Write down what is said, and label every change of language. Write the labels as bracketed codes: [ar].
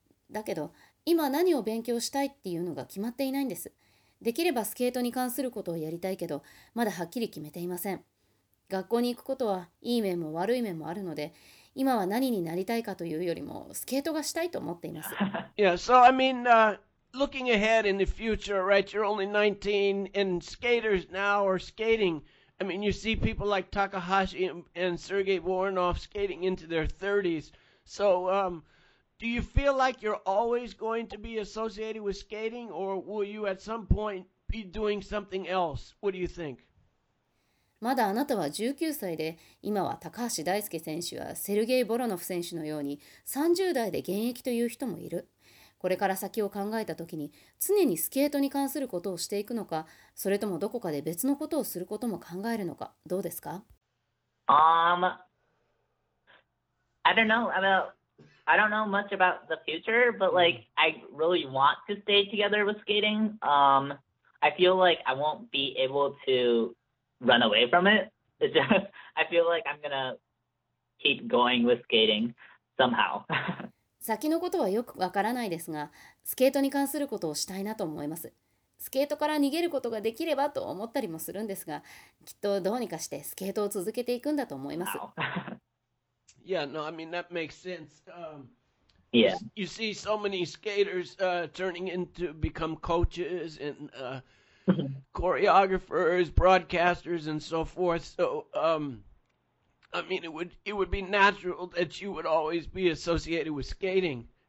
[ja] だけど今何を勉強したいっていうのが決まっていないんです。できればスケートに関することをやりたいけど、まだはっきり決めていません。学校に行くことはいい面も悪い面もあるので、今は何になりたいかというよりもスケートがしたいと思っています。 [en] Yeah, so I mean, looking ahead in the future, right? You're only 19 and skaters now are skating. I mean, you see people like Takahashi and Sergei Voronov skating into their 30s. So, do you feel like you're always going to be associated with skating, or will you at some point be doing something else? What do you think? [ja] まだあなたは19歳で、今は高橋大輔選手やセルゲイ・ボロノフ選手のように30代で現役という人もいる。これから先を考えたときに、常にスケートに関することをしていくのか、それともどこかで別のことをすることも考えるのか、どうですか？ [en] I don't know about, I don't know much about the future, but like, I really want to stay together with skating. I feel like I won't be able to run away from it. It's just, I feel like I'm gonna keep going with skating somehow. [ja] 先のことはよくわからないですが、スケートに関することをしたいなと思います。スケートから逃げることができればと思ったりもするんですが、きっとどうにかしてスケートを続けていくんだと思います。 [en] Wow. Yeah, no, I mean, that makes sense. Yeah. You see so many skaters turning into become coaches and choreographers, broadcasters, and so forth. So, I mean, it would be natural that you would always be associated with skating.